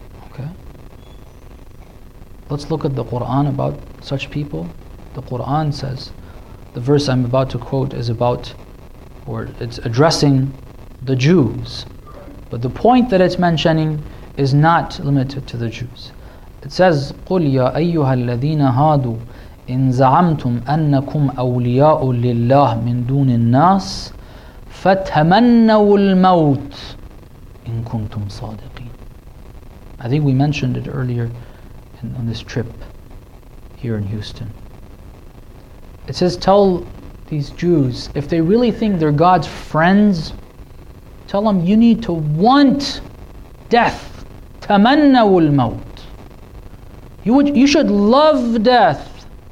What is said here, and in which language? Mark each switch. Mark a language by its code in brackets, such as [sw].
[en] Okay, let's look at the Quran about such people. The Quran says, the verse I'm about to quote is about, or it's addressing the Jews, but the point that it's mentioning is not limited to the Jews. It says, [ar] قُلْ يَا أَيُّهَا الَّذِينَ هَادُوا إِن زَعَمْتُمْ أَنَّكُمْ أَوْلِيَاءُ لِلَّهِ مِن دُونِ النَّاسِ فَتَمَنَّوُ الْمَوْتِ إِن كُنْتُمْ صَادِقِينَ. [en] I think we mentioned it earlier on this trip here in Houston. It says, tell these Jews, if they really think they're God's friends, tell them you need to want death. [ar] تَمَنَّوُ الْمَوْتِ. [en] You should love death.